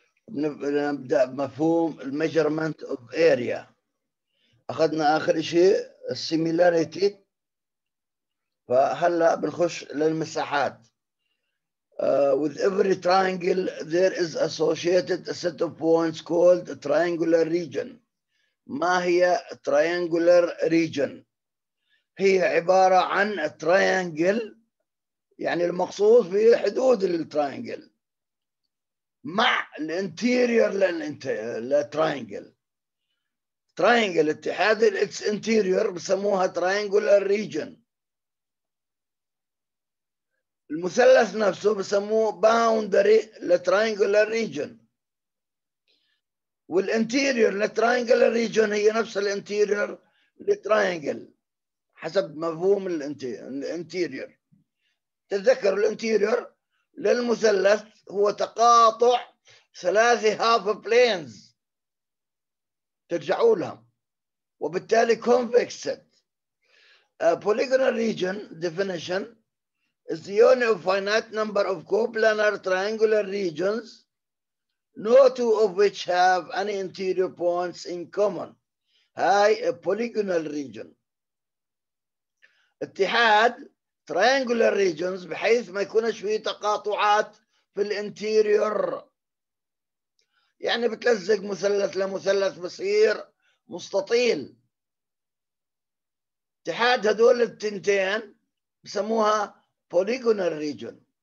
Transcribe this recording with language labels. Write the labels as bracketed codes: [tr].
[ar] نبدأ بمفهوم الميجرمنت اوف اريا. اخذنا اخر شيء السيميلاريتي، فهلا بنخش للمساحات. [en] With every triangle there is associated a set of points called triangular region. [ar] ما هي triangular region؟ هي عبارة عن triangle، يعني المقصود في حدود التراينجل، مع الانتيريور للترينجل. ترينجل اتحاد الاتس انتيريور بسموها ترينجولر ريجن. المثلث نفسه بسموه باوندري لترينجولر ريجن، والانتيريور لترينجولر ريجن هي نفس الانتيريور لترينجل حسب مفهوم الانتيريور. تذكر الانتيريور للمثلث هو تقاطع ثلاث هاف بلينز ترجعوا لها، وبالتالي convexed. [en] Polygonal region definition is the union of finite number of coplanar triangular regions, no two of which have any interior points in common. [ar] هاي polygonal region. اتحاد triangular regions بحيث ما يكونش فيه تقاطعات في الانتيريور، يعني بتلزق مثلث لمثلث بصير مستطيل. اتحاد هذول التنتين بسموها polygonal region.